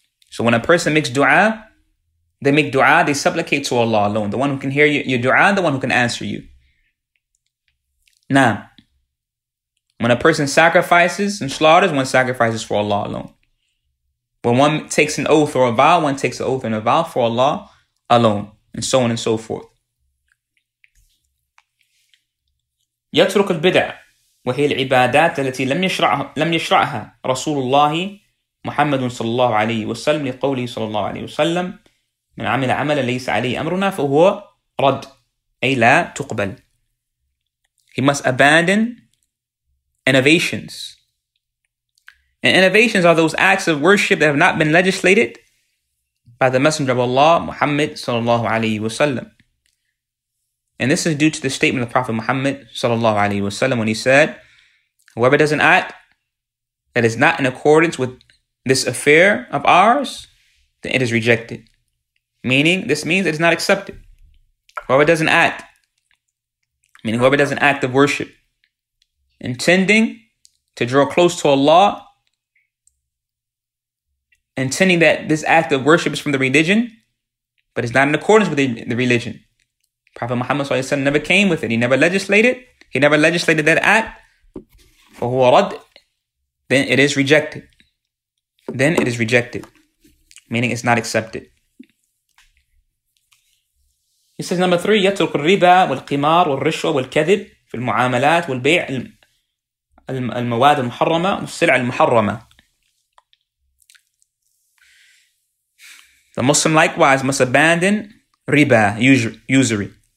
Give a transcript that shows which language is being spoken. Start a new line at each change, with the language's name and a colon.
English: So when a person makes dua, they make dua, they supplicate to Allah alone, the one who can hear your dua, the one who can answer you. Now, when a person sacrifices and slaughters, one sacrifices for Allah alone. When one takes an oath or a vow, one takes an oath and a vow for Allah alone, and so on and so forth.
Arabic: يترك البدع وهي العبادات التي لم يشرعها رسول الله محمد صلى الله عليه وسلم لقوله صلى الله عليه وسلم من عمل عملا ليس عليه أمرنا فهو رد أي لا تقبل.
English: He must abandon innovations. And innovations are those acts of worship that have not been legislated by the Messenger of Allah, Muhammad sallallahu alayhi wa sallam. And this is due to the statement of Prophet Muhammad sallallahu alayhi wa sallam when he said, whoever does an act that is not in accordance with this affair of ours, then it is rejected. Meaning, this means it is not accepted. Whoever does an act, meaning whoever does an act of worship, intending to draw close to Allah, intending that this act of worship is from the religion, but it's not in accordance with the religion. Prophet Muhammad SAW never came with it. He never legislated. He never legislated that act.
Arabic: فَهُوَ رَدْ
English: Then it is rejected. Then it is rejected. Meaning it's not accepted. He says number three,
Arabic: يَتْرُكُ الرِّبَى وَالْقِمَارُ وَالْرِشْوَى وَالْكَذِبْ فِي الْمُعَامَلَاتِ وَالْبَيْعِ الْمَوَادِ الْمُحَرَّمَةِ وَالسِّلْعِ الْمُحَرَّمَةِ
English: The Muslim likewise must abandon riba, usury.